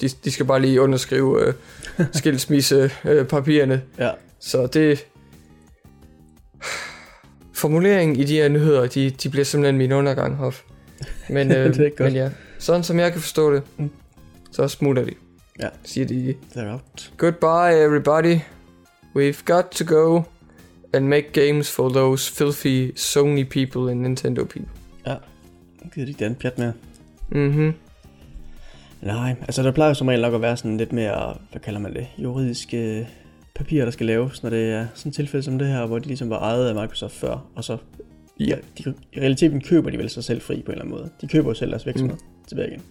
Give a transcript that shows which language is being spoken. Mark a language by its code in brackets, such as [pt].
[da] De skal bare lige underskrive skilsmisse papirerne. Ja. Så det, formuleringen i de her nyheder, de bliver simpelthen min undergang, Hoff. Men men ja, sådan som jeg kan forstå det. Så smutter de. Ja. Siger de, [en] they're out. Goodbye everybody. We've got to go and make games for those filthy Sony people and Nintendo people. [da] Ja. Gider de den pjat med. Mhm. Nej, altså der plejer som regel nok at være sådan lidt mere, hvad kalder man det, juridiske papirer, der skal laves, når det er sådan et tilfælde som det her, hvor de ligesom var ejet af Microsoft før, og så ja, i realiteten køber de vel sig selv fri på en eller anden måde. De køber jo selv deres virksomhed tilbage igen.